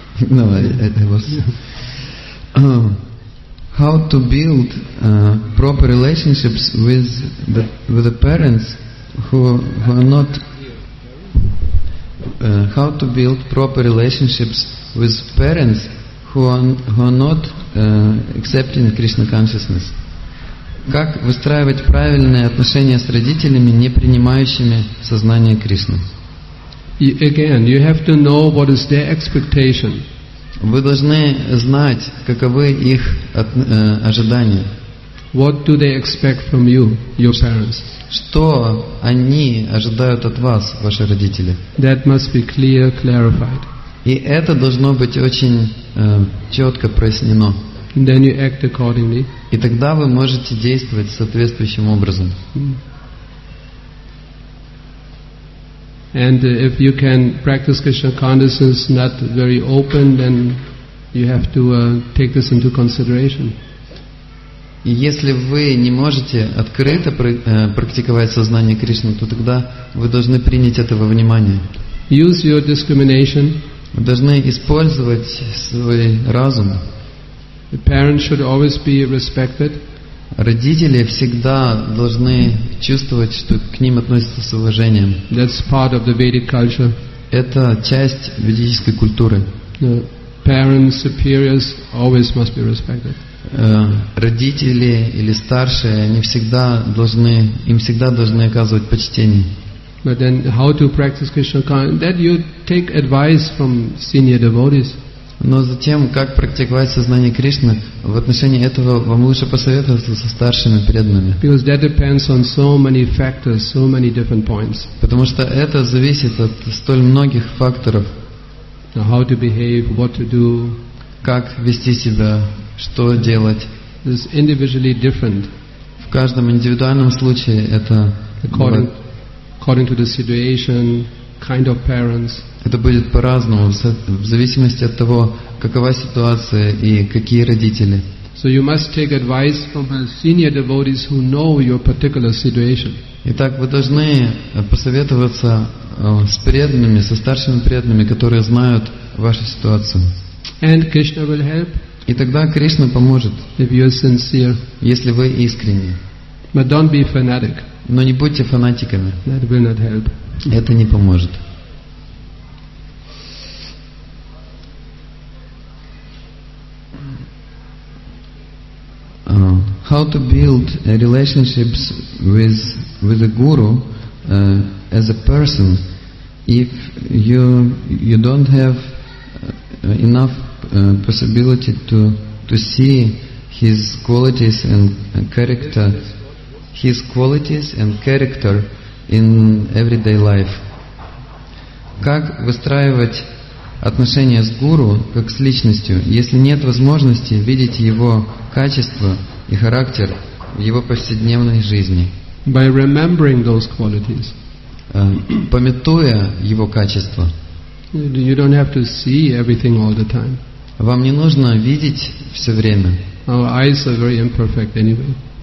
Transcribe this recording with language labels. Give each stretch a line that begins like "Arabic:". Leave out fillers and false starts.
English: No, it was how to build proper relationships with the parents who are not. How to build proper relationships with parents who are not accepting Krishna consciousness?
Russian: Как выстраивать правильные отношения с родителями, не принимающими сознание Кришны?
English: Again, you have to know what is their expectation.
Russian: Вы должны знать, каковы их ожидания.
English: What do they expect from you, your parents?
Russian: Что они ожидают от вас, ваши родители?
English: That must be clear, clarified.
Russian: И это должно быть очень четко прояснено.
English: Then you act accordingly.
Russian: И тогда вы можете действовать соответствующим образом.
English: And if you can practice Krishna consciousness not very open, then you have to take this into consideration.
Russian: Если вы не можете открыто практиковать сознание Кришны, то тогда вы должны принять это во внимание.
English: Use your discrimination.
Russian: Вы должны использовать свой разум.
English: The parents should always be respected.
Russian: Родители всегда должны чувствовать, что к ним относятся с уважением.
English: That's part of the Vedic culture.
Russian: Это часть ведической культуры.
English: The parents, superiors always must be respected.
Russian: Родители или старшие, они всегда должны, им всегда должны оказывать почтение.
English: But then how to practice Krishna consciousness? That you take advice from senior devotees.
Russian: Но затем, как практиковать сознание Кришны, в отношении этого вам лучше посоветоваться со старшими преданными.
English: Because that depends on so many factors, so many different points.
Russian: Потому что это зависит от столь многих факторов.
English: How to behave, what to do.
Russian: Как вести себя, что делать.
English: It's individually different.
Russian: В каждом индивидуальном случае это
English: according to the situation, kind of parents.
Russian: Это будет по-разному, в зависимости от того, какова ситуация и какие родители.
English: So you must take advice from the senior devotees who know your particular situation.
Russian: Итак, вы должны посоветоваться с преданными, со старшими преданными, которые знают вашу ситуацию.
English: And Krishna will help.
Russian: И тогда Кришна поможет,
English: if you're sincere.
Russian: Если вы искренни.
English: But don't be fanatic.
Russian: Но не будьте фанатиками.
English: That will not help.
Russian: Это не поможет.
English: How to build relationships with a guru as a person if you don't have enough possibility to see his qualities and character, his qualities and character in everyday life.
Russian: Как выстраивать отношения с гуру как с личностью, если нет возможности видеть его качества и характер в его повседневной жизни?
English: By remembering those qualities.
Russian: Пометуя его качества.
English: You don't have to see everything all the time.
Russian: Вам не нужно видеть все время.
English: Our eyes are very imperfect anyway.